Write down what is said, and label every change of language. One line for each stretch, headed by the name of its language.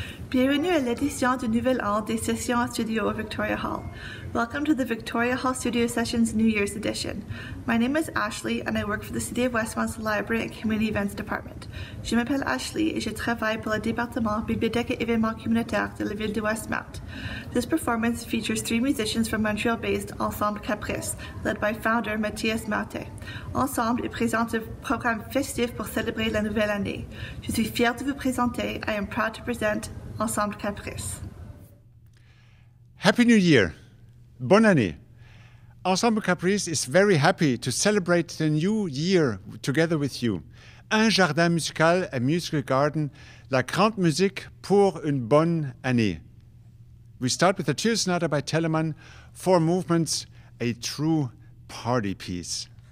French: Bienvenue à l'édition du Nouvel An des sessions studio à Victoria Hall.
English: Welcome to the Victoria Hall Studio Sessions New Year's Edition. My name is Ashley and I work for the City of Westmount's Library and Community Events Department.
French: Je m'appelle Ashley et je travaille pour le département Bibliothèque et Événements Communautaires de la ville de Westmount.
English: This performance features three musicians from Montreal-based Ensemble Caprice, led by founder Mathias Marte.
French: Ensemble, ils présentent un programme festif pour célébrer la nouvelle année. Je suis fière de vous présenter.
English: I am proud to present Ensemble Caprice. Happy New Year!
French: Bonne année!
English: Ensemble Caprice is very happy to celebrate the new year together with you.
French: Un jardin musical,
English: a musical garden,
French: la grande musique pour une bonne année.
English: We start with the Tears Sonata by Telemann, four movements, a true party piece.